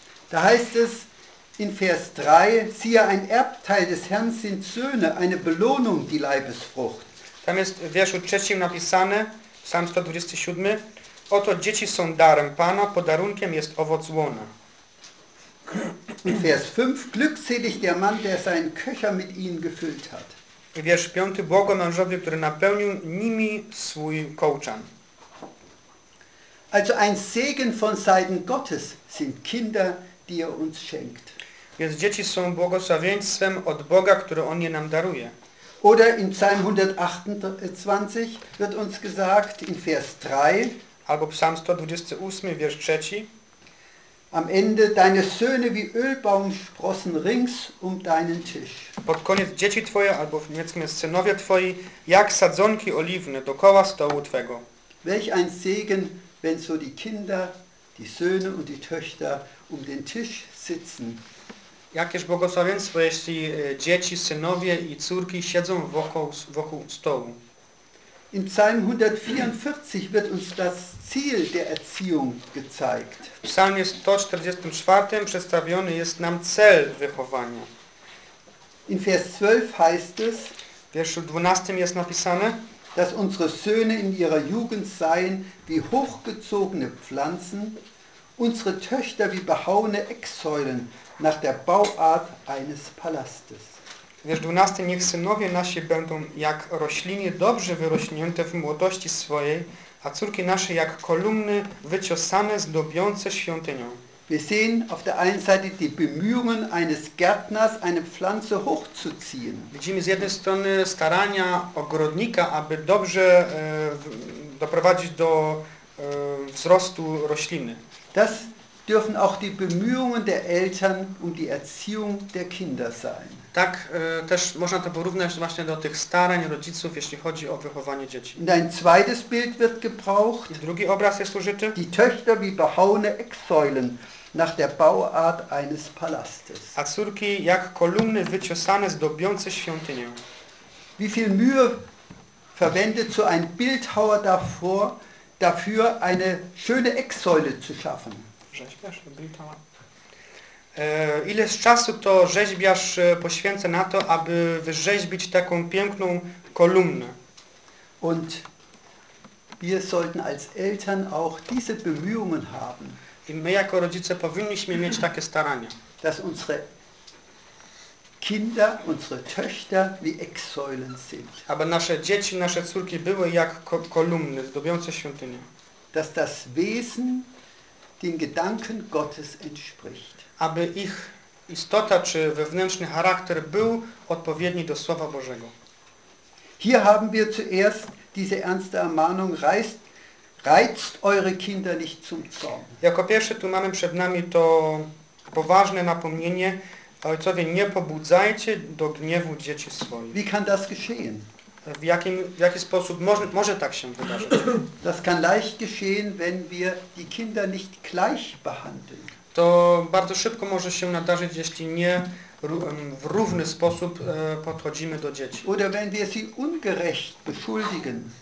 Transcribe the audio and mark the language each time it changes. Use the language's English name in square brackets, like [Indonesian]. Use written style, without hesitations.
[German] Da heißt es in Vers 3, siehe, ein Erbteil des Herrn sind Söhne, eine Belohnung, die Leibesfrucht. [Polish] Tam jest w wierszu trzecim napisane, Psalm 127, oto dzieci są darem Pana, podarunkiem jest owoc łona. [German] In Vers 5, glückselig der Mann, der seinen Köcher mit ihnen gefüllt hat. [Polish] I wiersz piąty, błogo mężowi, który napełnił nimi swój kołczan. [German] Also ein Segen von Seiten Gottes sind Kinder, die er uns schenkt. [Polish] Więc dzieci są błogosławieństwem od Boga, które On je nam daruje. [German] Oder in Psalm 128 wird uns gesagt, in Vers 3, [Polish] albo Psalm 128, wiersz trzeci, [German] Am Ende deine Söhne wie Ölbaumsprossen rings um deinen Tisch. [Polish] Pod koniec dzieci twoje, albo w niemieckim jest synowie twoi, jak sadzonki oliwne dookoła stołu twego. [German] Welch ein Segen, wenn so die Kinder, die Söhne und die Töchter um den Tisch sitzen. [Polish] Jakież błogosławieństwo, jeśli dzieci, synowie i córki siedzą wokół stołu. [German] In Psalm 144 wird uns das Ziel der Erziehung gezeigt. [Polish] W Psalmie 144 przedstawiony jest nam cel wychowania. [German] In Vers 12 heißt es, [Polish] w wierszu 12 jest napisane, [German] dass unsere Söhne in ihrer Jugend seien wie hochgezogene Pflanzen, unsere Töchter wie behauene Ecksäulen nach der Bauart eines Palastes. [Polish] Wiersz 12, niech synowie nasi będą jak rośliny dobrze wyrośnięte w młodości swojej, a córki nasze jak kolumny wyciosane zdobiące świątynią. [German] Wir sehen auf der einen Seite die Bemühungen eines Gärtners, eine Pflanze hochzuziehen. [Polish] Widzimy z jednej strony starania ogrodnika, aby dobrze doprowadzić do wzrostu rośliny. [German] Das dürfen auch die Bemühungen der Eltern um die Erziehung der Kinder sein. [Polish] Tak też można to porównać właśnie do tych starań rodziców, jeśli chodzi o wychowanie dzieci. [German] Ein zweites Bild wird gebraucht. [Polish] I drugi obraz jest użyty. [German] Die Töchter wie behauene Ecksäulen nach der Bauart eines Palastes. [Polish] A córki jak kolumny wyciosane zdobiące świątynię. [German] Wie viel Mühe verwendet so ein Bildhauer dafür eine schöne Ecksäule zu schaffen? [Polish] Rzeźbiarz, Bildhauer. Ile czasu to rzeźbiarz poświęca na to, aby wyrzeźbić taką piękną kolumnę? [German] Und wir sollten als Eltern auch diese Bemühungen haben. [Polish] I my jako rodzice powinniśmy mieć takie starania. [German] Dass unsere Kinder, unsere Töchter wie Ecksäulen sind. [Polish] Aby nasze dzieci, nasze córki były jak kolumny zdobiące świątynię. [German] Dass das Wesen den Gedanken Gottes entspricht. [Polish] Aby ich istota czy wewnętrzny charakter był odpowiedni do Słowa Bożego. [German] Hier haben wir zuerst diese ernste Ermahnung, reizt eure Kinder nicht zum Zorn. [Polish] Jako pierwsze tu mamy przed nami to poważne napomnienie, ojcowie, nie pobudzajcie do gniewu dzieci swoich. [German] Wie kann das geschehen? [Polish] W jaki sposób może tak się wydarzyć? [German] Das kann leicht geschehen, wenn wir die Kinder nicht gleich behandeln. [Polish] To bardzo szybko może się nadarzyć, jeśli nie w równy sposób podchodzimy do dzieci. [German] Oder wenn wir sie ungerecht beschuldigen.